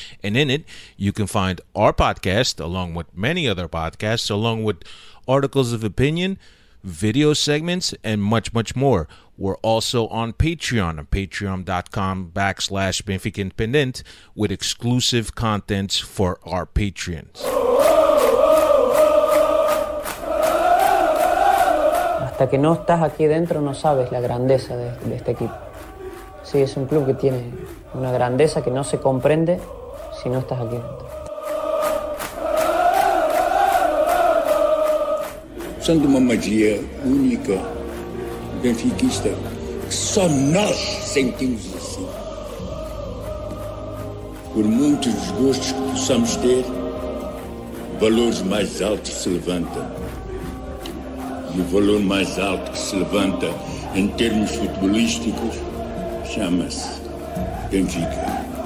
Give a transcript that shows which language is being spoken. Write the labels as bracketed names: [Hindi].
[English] And in it, you can find our podcast along with many other podcasts, along with articles of opinion, video segments, and much, much more. We're also on Patreon at patreon.com/Benfica Independent with exclusive contents for our patrons. [Spanish] Hasta que no estás aquí dentro no sabes la grandeza de este equipo. Sí, es un club que tiene una grandeza que no se comprende si no estás aquí dentro. Son de una magia única, benfiquista, que solo nosotros sentimos así. Por muchos [Portuguese] desgostos que possamos [Spanish] tener, valores más altos se levantan. [Portuguese] O valor mais alto que se levanta em termos futebolísticos chama-se Benfica.